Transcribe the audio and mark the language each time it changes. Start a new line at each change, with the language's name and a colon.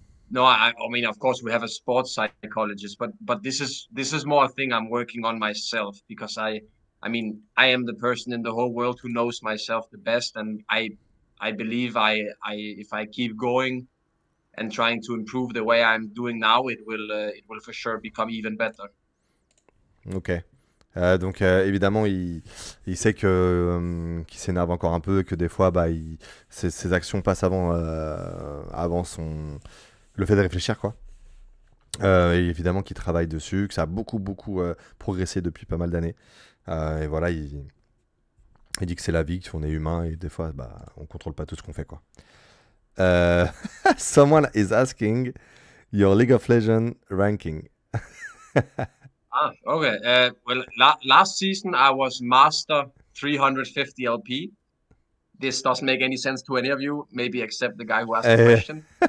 English: No, I mean, of course, we have a sports psychologist, but this is more a thing I'm working on myself, because I mean, I am the person in the whole world who knows myself the best, and I believe I if I keep going and trying to improve the way I'm doing now, it will for sure become even better. Okay.
French: Donc évidemment il sait que qu'il s'énerve encore un peu et que des fois bah ses actions passent avant son le fait de réfléchir quoi. Et évidemment qu'il travaille dessus, que ça a beaucoup progressé depuis pas mal d'années. Et voilà, il dit que c'est la vie, qu'on est humain et des fois bah on contrôle pas tout ce qu'on fait quoi.
English: Someone is asking your League of Legends ranking. Ah, okay. Well, last season I was master 350 LP. This doesn't make any sense to any of you, maybe except the guy who asked the question.